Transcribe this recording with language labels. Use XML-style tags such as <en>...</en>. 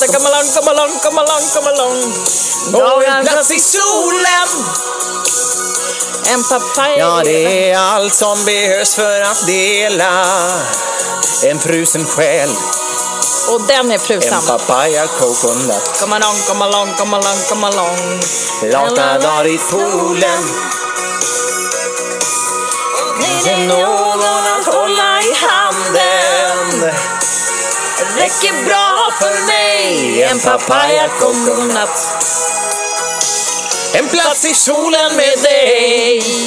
<en>Come along, come along, come along, come along.</en> <sv>Några plats i solen. En papaya. Ja, det är allt som behövs för att dela en frusen själ. Och den är frusen. En papaya coconut.</sv> <en>Come along, come along, come along, come along.</en> <sv>Lata dar i poolen. Finns det någon att hålla i handen? Räcker bra för mig. En papaya coconut. En plats i solen med dig.</sv>